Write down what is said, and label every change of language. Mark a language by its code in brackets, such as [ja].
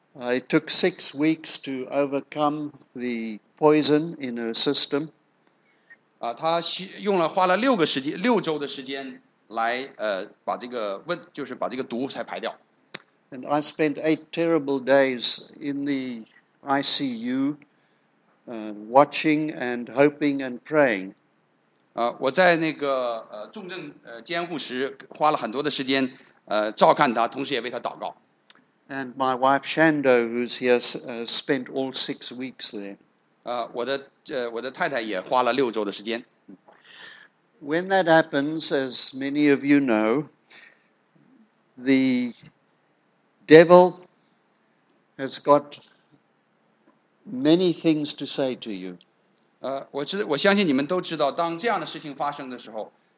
[en] It took 6 weeks to overcome the poison in her system. [zh] 她用了花了六个时间六周的时间来把这个问就是把这个毒才排掉。 [en] And I spent 8 terrible days in the ICU. Watching and hoping and praying. [zh] 我在那个重症监护室花了很多的时间照看他，同时也为他祷告。 [en] And my wife Shando, who's here, spent all 6 weeks there. [zh] 我的太太也花了六周的时间。 [en] When that happens, as many of you know, the devil has got. Many things to say to you. [zh] 我相信你们都知道，当这样的事情发生的时候，